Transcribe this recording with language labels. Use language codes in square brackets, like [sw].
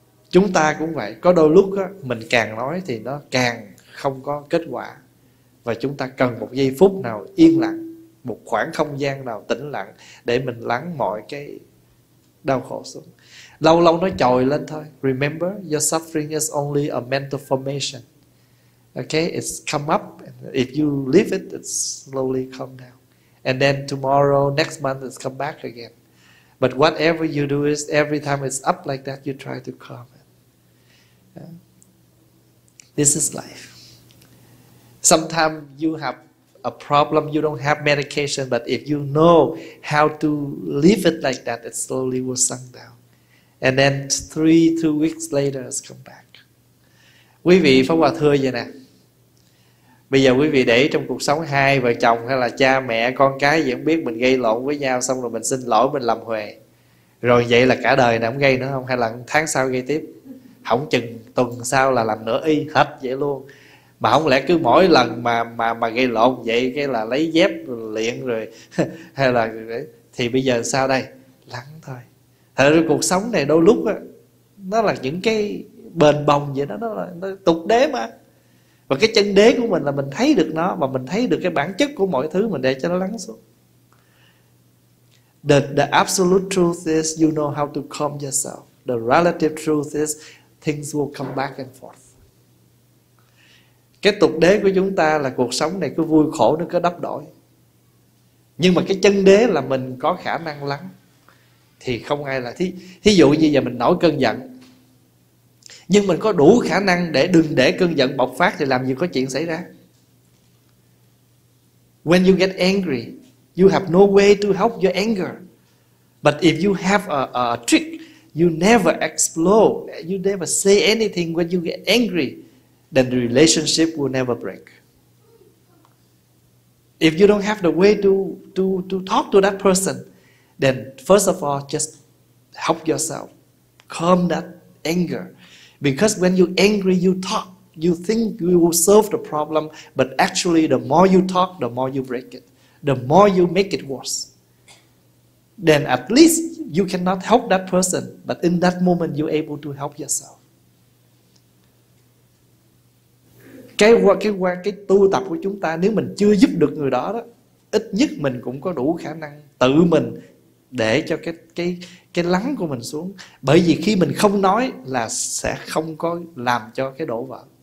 [vi] Chúng ta cũng vậy, có đôi lúc đó, mình càng nói thì nó càng không có kết quả. Và chúng ta cần một giây phút nào yên lặng, một khoảng không gian nào tĩnh lặng, để mình lắng mọi cái đau khổ xuống. Lâu lâu nó chồi lên thôi. [en] Remember, your suffering is only a mental formation. Okay, it's come up. If you leave it, it slowly come down. And then tomorrow, next month, it's come back again. But whatever you do is, every time it's up like that, you try to calm it. This is life. Sometimes you have a problem, you don't have medication, but if you know how to leave it like that, it slowly will sink down. And then 3-2 weeks later, it's come back. [vi] Quý vị, Pháp Hòa thưa vậy nè. Bây giờ quý vị để trong cuộc sống hai vợ chồng hay là cha mẹ con cái gì cũng biết mình gây lộn với nhau, xong rồi mình xin lỗi, mình làm huề. Rồi vậy là cả đời này không gây nữa không? Hay là tháng sau gây tiếp? Không chừng tuần sau là làm nữa y hết vậy luôn. Mà không lẽ cứ mỗi lần mà gây lộn vậy cái là lấy dép luyện rồi hay là thì bây giờ sao đây? Lắng thôi. Thật ra cuộc sống này đôi lúc đó, nó là những cái bền bồng vậy đó, nó là nó tục đế mà. Và cái chân đế của mình là mình thấy được nó, và mình thấy được cái bản chất của mọi thứ, mình để cho nó lắng xuống. [en] The absolute truth is you know how to calm yourself. The relative truth is things will come back and forth. [vi] Cái tục đế của chúng ta là cuộc sống này cứ vui khổ, nó cứ đắp đổi. Nhưng mà cái chân đế là mình có khả năng lắng. Thì không ai là thí dụ như giờ mình nổi cơn giận, nhưng mình có đủ khả năng để đừng để cơn giận bộc phát thì làm gì có chuyện xảy ra. [en] When you get angry, you have no way to help your anger. But if you have a trick, you never explode, you never say anything when you get angry, then the relationship will never break. If you don't have the way to talk to that person, then first of all, just help yourself. Calm that anger. Because when you're angry, you talk. You think you will solve the problem, but actually the more you talk, the more you break it. The more you make it worse. Then at least you cannot help that person, but in that moment you're able to help yourself. [vi] Cái tu tập của chúng ta, nếu mình chưa giúp được người đó đó, ít nhất mình cũng có đủ khả năng tự mình để cho cái lắng của mình xuống. Bởi vì khi mình không nói là sẽ không có làm cho cái đổ vỡ.